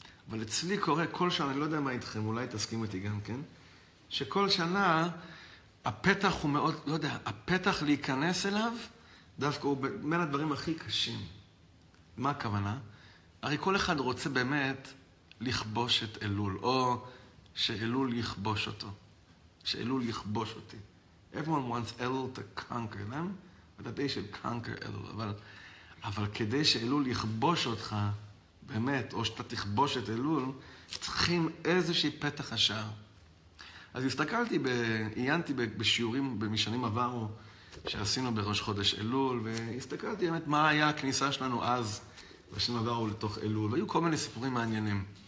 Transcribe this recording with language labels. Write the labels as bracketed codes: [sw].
[he] אבל אצלי קורה כל שנה, אני לא יודע מה איתכם, אולי תסכים אותי גם כן, שכל שנה הפתח הוא מאוד, לא יודע, הפתח להיכנס אליו, דווקא הוא בין הדברים הכי קשים. מה הכוונה? הרי כל אחד רוצה באמת לכבוש את אלול, או שאלול יכבוש אותו. שאלול יכבוש אותי. [en] Everyone wants Elul to conquer them, but they should conquer Elul. [he] אבל כדי שאלול יכבוש אותך, באמת, או שאתה תכבוש את אלול, צריכים איזושהי פתח השער. אז הסתכלתי, עיינתי בשיעורים במשנים עברו, שעשינו בראש חודש אלול, והסתכלתי באמת מה היה הכניסה שלנו אז, בשנים עברו לתוך אלול, והיו כל מיני סיפורים מעניינים.